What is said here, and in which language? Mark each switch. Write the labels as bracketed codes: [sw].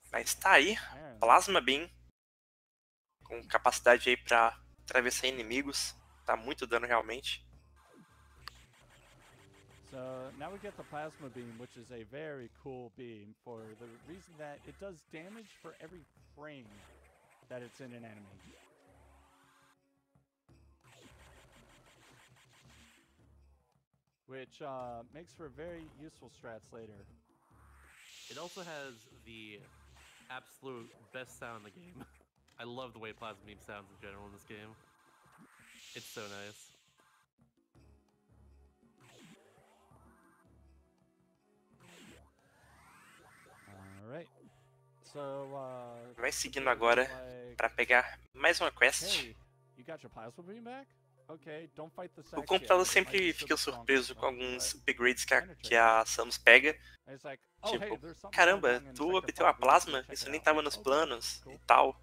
[pt] Mas tá aí, Plasma Beam, com capacidade aí pra atravessar inimigos, tá muito dano realmente. [en] So now we get the Plasma Beam, which is a very cool beam for the reason that it does damage for every frame that it's in an enemy. Which makes for very useful strats later. It also has the absolute best sound in the game. I love the way Plasma Beam sounds in general in this game. It's so nice. Alright. So, [pt] Vai seguindo agora pra pegar mais uma quest. [en] Hey, you got your Plasma Beam back? Okay, don't fight the [pt] O computador sempre fica surpreso com alguns upgrades que a Samus pega. Tipo, caramba, tu obteu a plasma? Isso nem tava nos planos e tal.